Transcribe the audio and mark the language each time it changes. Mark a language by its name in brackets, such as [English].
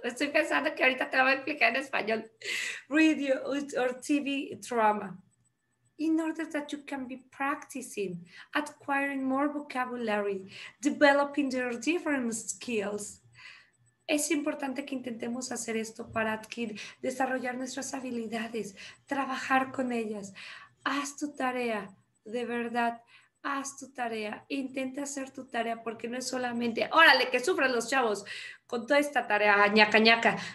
[Spanish] Estoy pensando que ahorita te lo voy a explicar en español. [English] Radio or TV drama. In order that you can be practicing, acquiring more vocabulary, developing your different skills. [Spanish] Es importante que intentemos hacer esto para adquirir, desarrollar nuestras habilidades, trabajar con ellas. haz tu tarea, de verdad, haz tu tarea, intenta hacer tu tarea, porque no es solamente, órale, que sufran los chavos con toda esta tarea, ñaca, ñaca.